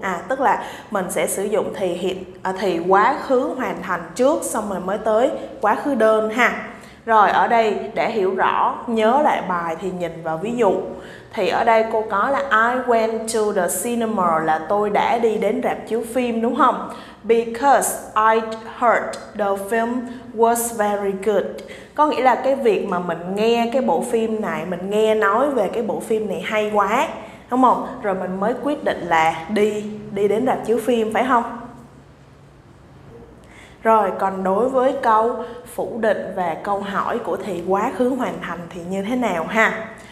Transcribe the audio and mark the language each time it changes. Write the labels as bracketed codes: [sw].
[vi] À, tức là mình sẽ sử dụng thì quá khứ hoàn thành trước xong rồi mới tới quá khứ đơn ha. Rồi, ở đây để hiểu rõ, nhớ lại bài thì nhìn vào ví dụ. Thì ở đây cô có là [en] I went to the cinema, [vi] là tôi đã đi đến rạp chiếu phim đúng không? [en] Because I heard the film was very good. [vi] Có nghĩa là cái việc mà mình nghe cái bộ phim này, mình nghe nói về cái bộ phim này hay quá, đúng không? Rồi mình mới quyết định là đi đến rạp chiếu phim, phải không? Rồi, còn đối với câu phủ định và câu hỏi của thì quá khứ hoàn thành thì như thế nào ha?